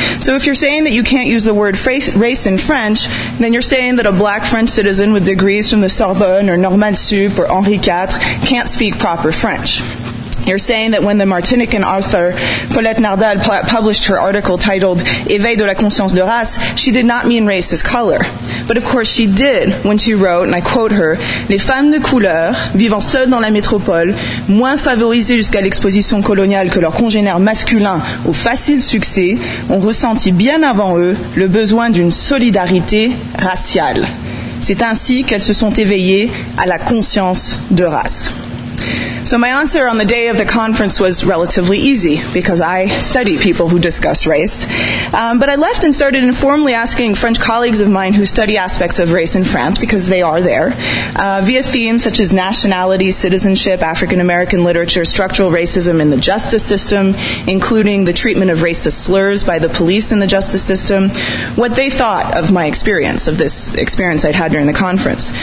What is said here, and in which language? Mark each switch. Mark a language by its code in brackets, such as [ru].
[en] So if you're saying that you can't use the word race in French, then you're saying that a black French citizen with degrees from the Sorbonne or Normale Sup or Henri IV can't speak proper French. You're saying that when the Martinican author Colette Nardal published her article titled [fr] Éveil de la conscience de race, [en] she did not mean race as color. But of course she did when she wrote, and I quote her, [fr] Les femmes de couleur, vivant seules dans la métropole, moins favorisées jusqu'à l'exposition coloniale que leurs congénères masculins au facile succès, ont ressenti bien avant eux le besoin d'une solidarité raciale. C'est ainsi qu'elles se sont éveillées à la conscience de race. [en] So my answer on the day of the conference was relatively easy, because I study people who discuss race. But I left and started informally asking French colleagues of mine who study aspects of race in France, because they are there, via themes such as nationality, citizenship, African-American literature, structural racism in the justice system, including the treatment of racist slurs by the police in the justice system, what they thought of my experience, of this experience I'd had during the conference.